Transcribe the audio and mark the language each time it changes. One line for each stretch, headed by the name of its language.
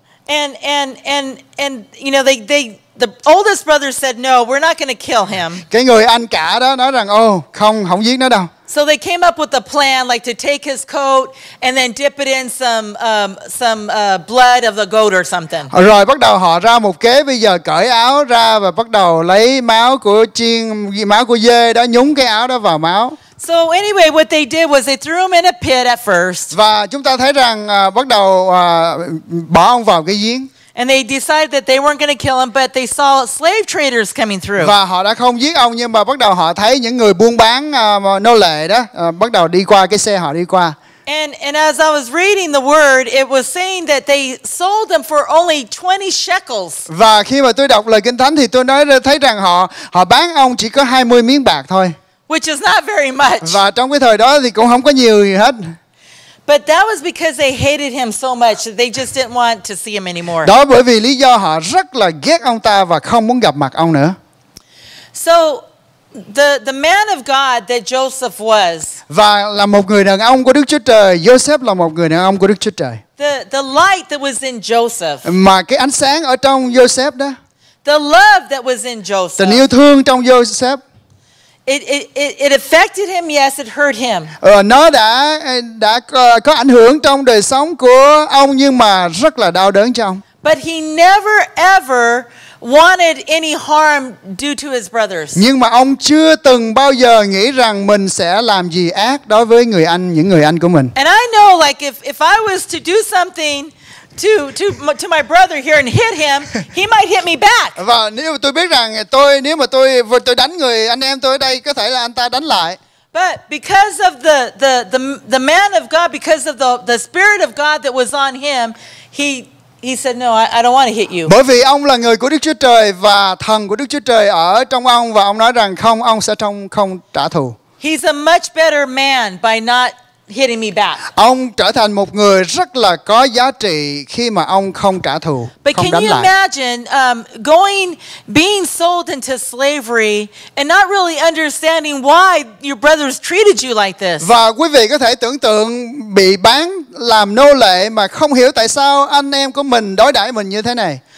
English: And you know the oldest brother said no, we're not going to kill him.
Vietnamese: Cái người anh cả đó nói rằng ô, không giết nó đâu.
English: So they came up with a plan like to take his coat and then dip it in some blood of the goat or something.
Vietnamese: Rồi bắt đầu họ ra một kế bây giờ cởi áo ra và bắt đầu lấy máu của chiên, máu của dê đó nhúng cái áo đó vào máu.
English: So anyway, what they did was they threw him in a pit at first.
Vietnamese: Và chúng ta thấy rằng bắt đầu bỏ ông vào cái giếng.
English: And they decided that they weren't going to kill him, but they saw slave traders coming through.
Vietnamese: Và họ đã không giết ông nhưng mà bắt đầu họ thấy những người buôn bán nô lệ đó bắt đầu đi qua cái xe họ đi qua.
English: And as I was reading the word, it was saying that they sold them for only 20 shekels.
Vietnamese: Và khi mà tôi đọc lời kinh thánh thì tôi thấy rằng họ bán ông chỉ có 20 miếng bạc thôi.
English: Which is not very much.
Vietnamese: Và trong cái thời đó thì cũng không có nhiều gì hết.
English: But that was because they hated him so much that they just didn't want to see him anymore.
Vietnamese: Đó bởi vì lý do họ rất là ghét ông ta và không muốn gặp mặt ông nữa.
English: So the man of God that Joseph was.
Vietnamese: Và là một người đàn ông của Đức Chúa Trời, Joseph là một người đàn ông của Đức Chúa Trời.
English: The light that was in Joseph.
Vietnamese: Mà cái ánh sáng ở trong Joseph đó.
English: The love that was in Joseph.
Vietnamese: Tình yêu thương trong Joseph.
English: It affected him, yes, it hurt him.
Vietnamese: Nó đã có ảnh hưởng trong đời sống của ông nhưng mà rất là đau đớn trong.
English: But he never ever wanted any harm due to his brothers.
Vietnamese: Nhưng mà ông chưa từng bao giờ nghĩ rằng mình sẽ làm gì ác đối với người anh của mình.
English: And I know like if I was to do something to my brother here and hit him, he might hit me back.
Vietnamese: Và nếu tôi biết rằng tôi nếu mà tôi đánh người anh em tôi ở đây có thể là anh ta đánh lại.
English: But because of the man of God, because of the spirit of God that was on him, he said, "No, I don't want to hit you."
Vietnamese: Bởi vì ông là người của Đức Chúa Trời và thần của Đức Chúa Trời ở trong ông và ông nói rằng không, ông sẽ không trả thù.
English: He's a much better man by not hitting me back.
Vietnamese: Ông trở thành một người rất là có giá trị khi mà ông không trả thù,
English: but
Vietnamese: không
English: can
Vietnamese: đánh
English: you
Vietnamese: lại.
English: Imagine going being sold into slavery and not really understanding why your brothers treated you like this?
Vietnamese: Và quý vị có thể tưởng tượng bị bán làm nô lệ mà không hiểu tại sao anh em của mình đối đãi mình như thế này.